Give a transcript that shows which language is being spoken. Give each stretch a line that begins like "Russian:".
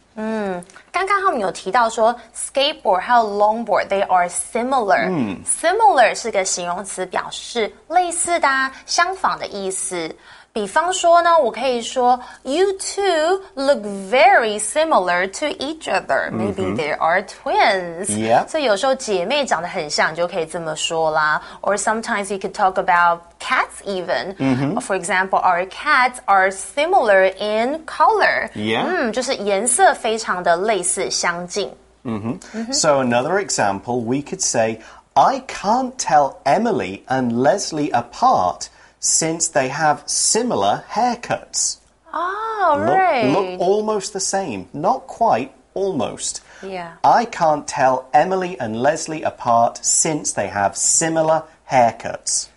Chinese: 刚刚他们有提到说 skateboard 还有 longboard,
English: they are similar.、 Mm.
Chinese: Similar 是个形容词表示类似的、啊、相仿的意思。比方说呢我可以说
English: You two look very similar to each other. Maybe、mm-hmm. they are twins. Yeah.
Chinese: 所以有时候姐妹长得很像就可以这么说啦。
English: Or sometimes you could talk about cats even.、 Mm-hmm. For example, our cats are similar in color. Yeah.、
Chinese: Mm, 就是颜色非常的类似相近。 Mm-hmm. Mm-hmm.
English: So another example, we could say, I can't tell Emily and Leslie apart. Since they have similar haircuts. Oh, right. Look almost the same. Not quite, almost. Yeah. I can't tell Emily and Leslie apart since they have similar haircuts.